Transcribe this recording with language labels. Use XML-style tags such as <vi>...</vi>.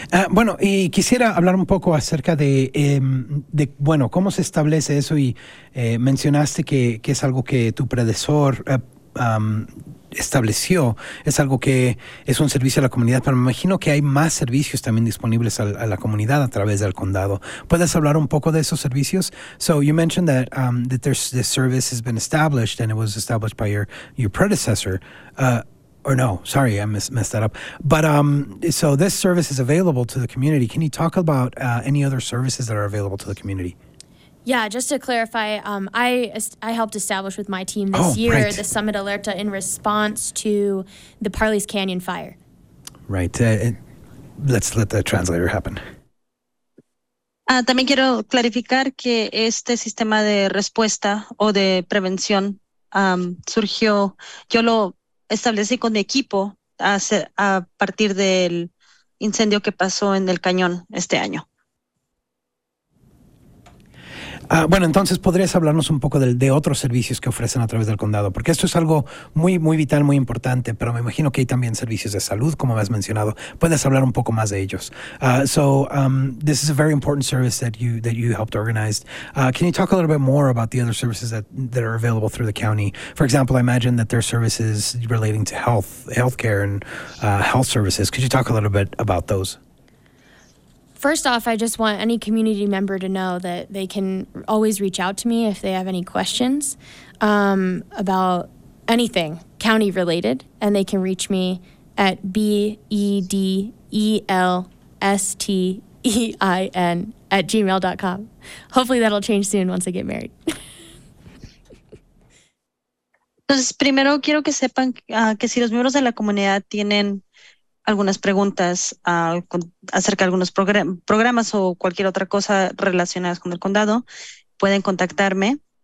<es>Bueno, y quisiera hablar un poco acerca de bueno, cómo se establece eso y mencionaste que es algo que tu predecesor estableció, es algo que es un servicio a la comunidad, pero me imagino que hay más servicios también disponibles a la comunidad a través del condado. ¿Puedes hablar un poco de esos servicios?</es> <en>So you mentioned that that this service has been established and it was established by your predecessor. Or no, sorry, I messed that up. But so this service is available to the community. Can you talk about any other services that are available to the community? Yeah, just to clarify, I helped establish with my team this year, right, the Summit Alerta in response to the Parley's Canyon fire. Right. Let's let the translator happen.</en> <es>También quiero clarificar que este sistema de respuesta o de prevención surgió, yo lo establecí con mi equipo a partir del incendio que pasó en el cañón este año. Bueno, entonces podrías hablarnos un poco de otros servicios que ofrecen a través del condado, porque esto es algo muy, muy vital, muy importante, pero me imagino que hay también servicios de salud, como has mencionado. Puedes hablar un poco más de ellos.</es> <en>This is a very important service that you helped organize. Can you talk a little bit more about the other services that are available through the county? For example, I imagine that there are services relating to healthcare and health services. Could you talk a little bit about those? First off, I just want any community member to know that they can always reach out to me if they have any questions about anything county related, and they can reach me at bedelstein@gmail.com. Hopefully that'll change soon once I get married.</en> <es>Entonces, primero quiero que sepan que si los miembros de la comunidad tienen algunas preguntas acerca de algunos programas o cualquier otra cosa relacionadas con el condado, pueden contactarme.</es>